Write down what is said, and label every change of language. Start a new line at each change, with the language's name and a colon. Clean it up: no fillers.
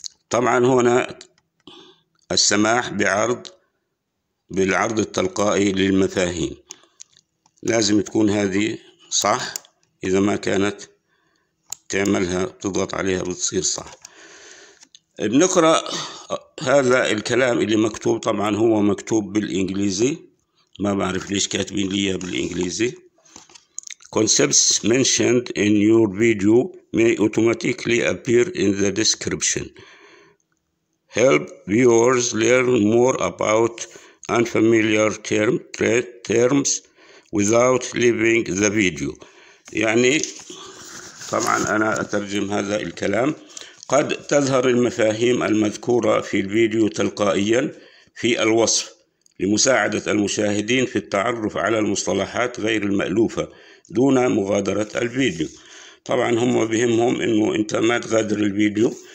Arabic: طبعا هنا السماح بالعرض التلقائي للمفاهيم، لازم تكون هذه صح، إذا ما كانت تعملها تضغط عليها بتصير صح. بنقرأ هذا الكلام اللي مكتوب، طبعا هو مكتوب بالإنجليزي، ما بعرف ليش كاتبين لي بالإنجليزي.
English: Concepts mentioned in your video may automatically appear in the description. Help viewers learn more about unfamiliar terms without leaving the video.
Arabic: يعني طبعا أنا أترجم هذا الكلام. قد تظهر المفاهيم المذكورة في الفيديو تلقائيا في الوصف لمساعدة المشاهدين في التعرف على المصطلحات غير المألوفة دون مغادرة الفيديو. طبعا هم بهمهم أنه أنت ما تغادر الفيديو،